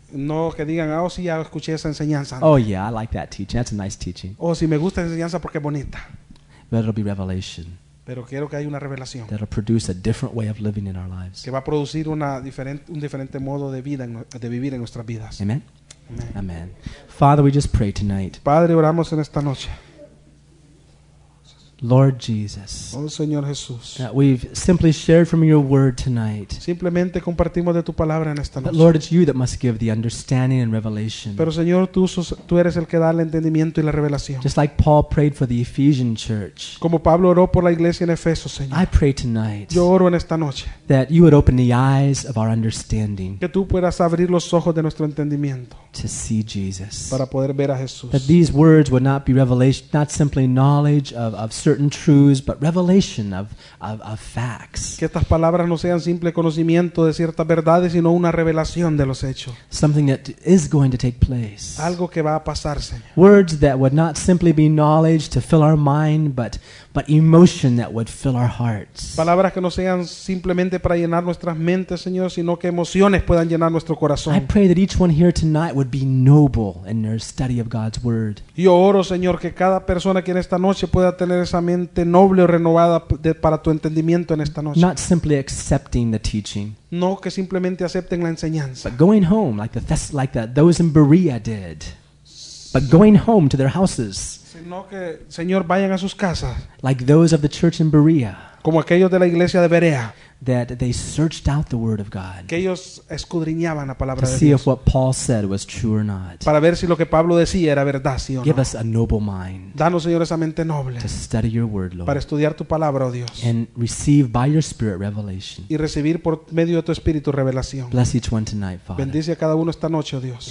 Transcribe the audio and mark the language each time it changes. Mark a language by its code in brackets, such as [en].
[es] No que digan, oh sí, ya escuché esa enseñanza. [en] Oh yeah, I like that teaching. That's a nice teaching. [es] Oh sí, me gusta esa enseñanza porque es bonita. [en] But it'll be revelation. [es] Pero quiero que haya una revelación. [en] That'll produce a different way of living in our lives. [es] Que va a producir un diferente modo de vida, de vivir en nuestras vidas. [en] Amen. [es] Amen. [en] Amen. Father, we just pray tonight. [es] Padre, oramos en esta noche. [en] Lord Jesus. [es] Oh Señor Jesús. [en] That we've simply shared from your word tonight. [es] Simplemente compartimos de tu palabra en esta noche. [en] That Lord, it's you that must give the understanding and revelation. [es] Pero Señor, tú eres el que da el entendimiento y la revelación. [en] Just like Paul prayed for the Ephesian church. [es] Como Pablo oró por la iglesia en Efeso, Señor. [en] I pray tonight. [es] Yo oro en esta noche. [en] That you would open the eyes of our understanding. [es] Que tú puedas abrir los ojos de nuestro entendimiento. [en] To see Jesus. [es] Para poder ver a Jesús. [en] That these words would not be revelation, not simply knowledge of certain truths, but revelation of facts. [es] Que estas palabras no sean simple conocimiento de ciertas verdades, sino una revelación de los hechos. [en] Something that is going to take place. [es] Algo que va a pasar, Señor. [en] Words that would not simply be knowledge to fill our mind, but emotion that would fill our hearts. [es] Palabras que no sean simplemente para llenar nuestras mentes, Señor, sino que emociones puedan llenar nuestro corazón. [en] I pray that each one here tonight would be noble in their study of God's word. [es] Yo oro, Señor, que cada persona aquí en esta noche pueda tener esa mente noble o renovada para tu entendimiento en esta noche. [en] Not simply accepting the teaching. [es] No que simplemente acepten la enseñanza. [en] But going home those in Berea did. But going home to their houses. [es] Sino que, Señor, vayan a sus casas. [en] Like those of the church in Berea. [es] Como aquellos de la iglesia de Berea. [en] That they searched out the word of God. [es] Que ellos escudriñaban la palabra de Dios. [en] To see if what Paul said was true or not. [es] Para ver si lo que Pablo decía era verdad, sí o no. [en] Give us a noble mind. [es] Danos, Señor, esa mente noble. [en] To study your word, Lord. [es] Para estudiar tu palabra, oh Dios. [en] And receive by your spirit revelation. [es] Y recibir por medio de tu espíritu revelación. [en] Bless each one tonight, Father. [es] Bendice a cada uno esta noche, oh Dios.